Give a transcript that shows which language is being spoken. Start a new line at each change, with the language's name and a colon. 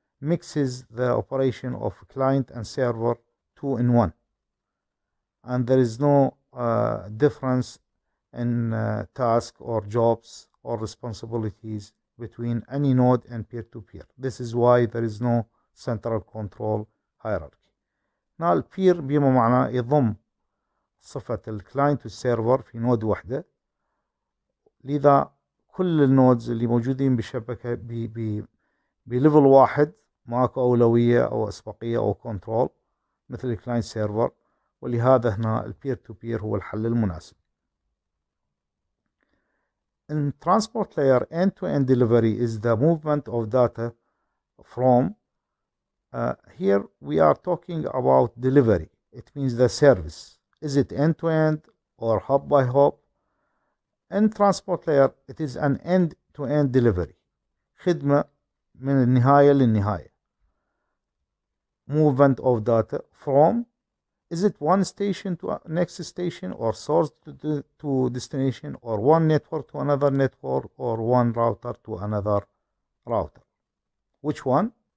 English: mixes the operation of client and server two in one, and there is no difference in task or jobs or responsibilities between any node and peer-to-peer. This is why there is no central control hierarchy. Now,
Arabic: peer بما معنى يضم صفة الكلاينت والسيرفر في نود واحدة. لذا كل النودز اللي موجودين بالشبكة بليفل واحد ماكو أولوية أو أسبقية أو كنترول مثل الكلاينت سيرفر. ولهذا هنا البير تو بير هو الحل المناسب.
English: In transport layer, end-to-end delivery is the movement of data from here we are talking about delivery. It means the service. Is it end-to-end or hop-by-hop? In transport layer, it is an end-to-end delivery.
Arabic: خدمة من النهاية للنهاية.
English: Movement of data from. Is it one station to next station or source to destination or one network to another network or one router to another router? Which one?